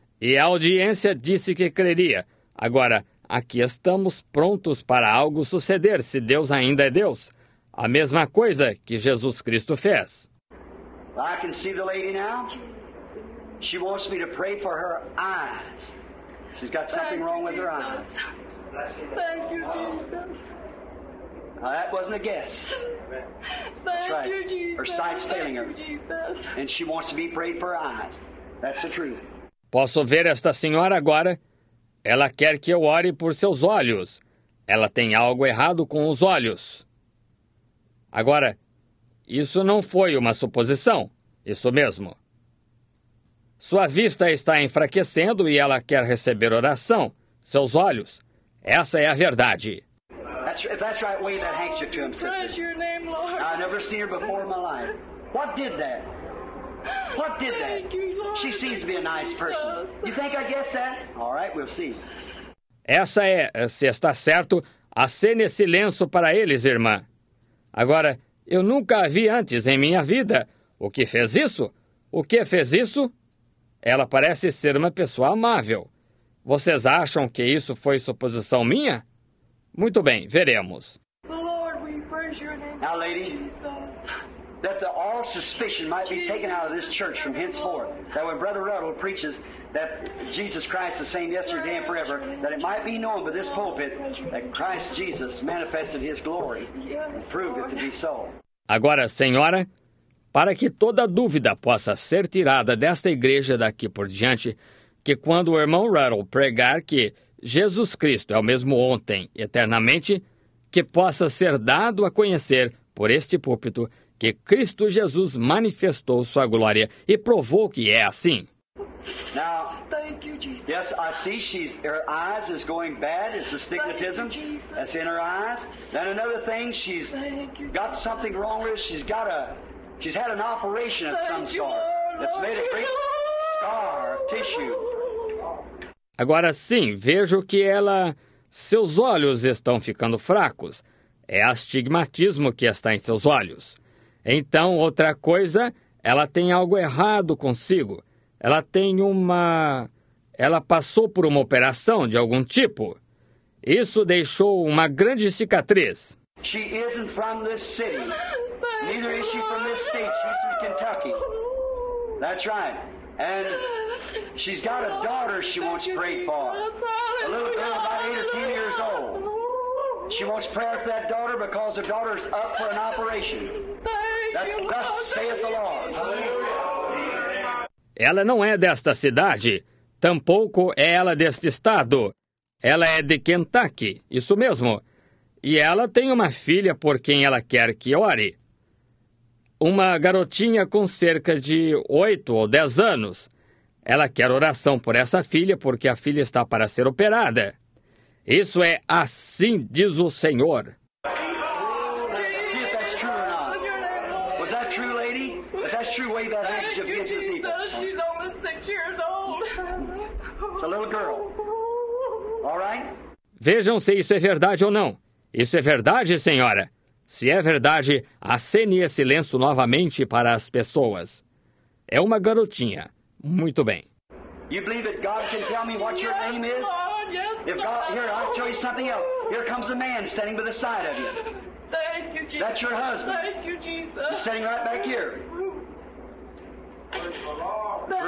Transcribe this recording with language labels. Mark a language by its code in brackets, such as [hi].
[pt] E a audiência disse que creria. Agora, aqui estamos prontos para algo suceder, se Deus ainda é Deus. A mesma coisa que Jesus Cristo fez. [en] I can see the lady now. She wants me to pray for her eyes. She's got something wrong with her eyes. Thank you, Jesus. Now, that wasn't a guess. Thank That's right. you, Jesus. Her sight's failing her. Thank you, Jesus. And she wants to be prayed for her eyes. That's the truth. [pt] Posso ver esta senhora agora? Ela quer que eu ore por seus olhos. Ela tem algo errado com os olhos. Agora, isso não foi uma suposição. Isso mesmo. Sua vista está enfraquecendo e ela quer receber oração. Seus olhos. Essa é a verdade. [en] That's right, wave that handkerchief to him, sister. Praise your name, Lord. I've never seen her before in my life. What did that? What did Thank that? You, Lord. She seems to be a nice person. You think I guessed that? All right, we'll see. [pt] Essa é, se está certo, acene esse lenço para eles, irmã. Agora, eu nunca a vi antes em minha vida. O que fez isso? O que fez isso? Ela parece ser uma pessoa amável. Vocês acham que isso foi suposição minha? Muito bem, veremos. [en] Lord, we praise your name. Now, lady, that the all suspicion might be taken out of this church from henceforth, that when Brother Ruddle preaches that Jesus Christ is the same yesterday and forever, that it might be known by this pulpit that Christ Jesus manifested his glory and proved it to be so. [pt] Agora, senhora, para que toda dúvida possa ser tirada desta igreja daqui por diante, que quando o irmão Ruddle pregar que Jesus Cristo é o mesmo ontem e eternamente, que possa ser dado a conhecer por este púlpito que Cristo Jesus manifestou sua glória e provou que é assim. [en] Now, thank you, Jesus. Yes, I see she's her eyes is going bad. It's astigmatism. That's in her eyes. Then another thing, she's got something wrong with her. She's had an operation of some sort that's made a great scar of tissue. [pt] Agora sim, vejo que ela... Seus olhos estão ficando fracos. É astigmatismo que está em seus olhos. Então, outra coisa, ela tem algo errado consigo. Ela tem uma... Ela passou por uma operação de algum tipo. Isso deixou uma grande cicatriz. [en] She isn't from this city. Neither is she from this state. She's from Kentucky. That's right. And she's got a daughter she wants prayed for. A little girl about 8 or 10 years old. She wants prayer for that daughter because her daughter's up for an operation. That's thus saith the Lord. [pt] Ela não é desta cidade. Tampouco é ela deste estado. Ela é de Kentucky. Isso mesmo. E ela tem uma filha por quem ela quer que ore. Uma garotinha com cerca de 8 ou 10 anos. Ela quer oração por essa filha porque a filha está para ser operada. Isso é assim, diz o Senhor. [en] See if that's true or not. Was that true, lady? If that's true, wave that handkerchief against the people. She's only 6 years old. It's a little girl. All right? [pt] Vejam se isso é verdade ou não. Isso é verdade, senhora. Se é verdade, acene esse lenço novamente para as pessoas. É uma garotinha. Muito bem. [en] You believe that God can tell me what your yes, name is? Lord, yes, if God, here, I'll tell you something else. Here comes a man standing by the side of you. Thank you, Jesus. That's your husband. Thank you, Jesus. He's standing right back here. Thank